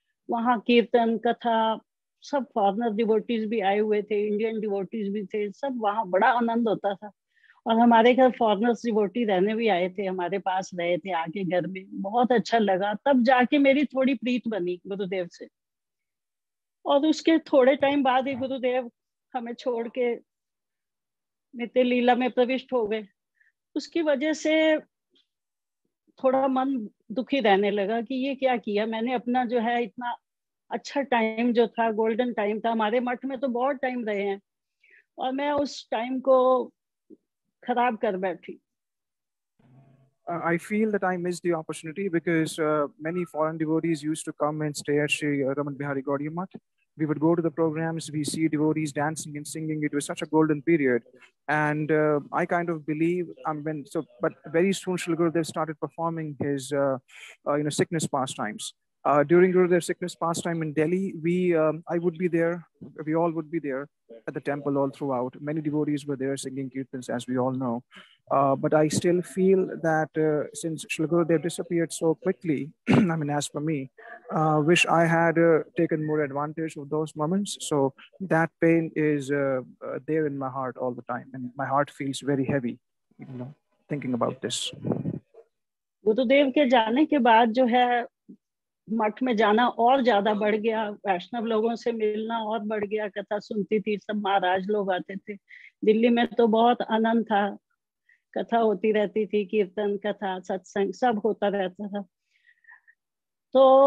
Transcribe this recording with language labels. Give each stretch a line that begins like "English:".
Hindi: वहाँ कीर्तन कथा सब फॉरनर डिवोटीज भी आए हुए थे इंडियन डिवोटीज भी थे सब वहाँ बड़ा आनंद होता था और हमारे घर फॉरनर्स डिवोटी रहने भी आए थे हमारे पास रहे थे आके घर में बहुत अच्छा लगा तब जाके मेरी थोड़ी प्रीत बनी गुरुदेव से और उसके थोड़े टाइम बाद ही गुरुदेव हमें छोड़ के नित्य लीला में प्रविष्ट हो गए उसकी वजह से थोड़ा मन दुखी रहने लगा कि ये क्या किया मैंने अपना जो है इतना अच्छा टाइम जो था गोल्डन टाइम था हमारे मठ में तो बहुत टाइम रहे हैं और मैं उस टाइम को खराब कर बैठी
English: I feel that I missed the opportunity because many foreign devotees used to come and stay at Sri Raman Bihari Gaudiya Math. We would go to the programs, we see devotees dancing and singing. It was such a golden period. And I kind of believe, but very soon Srila Gurudev started performing his sickness pastimes. During Gurudev's sickness pastime in Delhi, I would be there, we all would be there at the temple all throughout. Many devotees were there singing kirtans, as we all know. But I still feel that since Srila Gurudev disappeared so quickly, I mean, as for me, wish I had taken more advantage of those moments. So that pain is there in my heart all the time. And my heart feels very heavy, thinking about this.
Hindi: Gurudev ke jaane ke baad jo hai, मठ में जाना और ज्यादा बढ़ गया वैष्णव लोगों से मिलना और बढ़ गया कथा सुनती थी सब महाराज लोग आते थे दिल्ली में तो बहुत आनंद था कथा होती रहती थी कीर्तन कथा सत्संग सब होता रहता था तो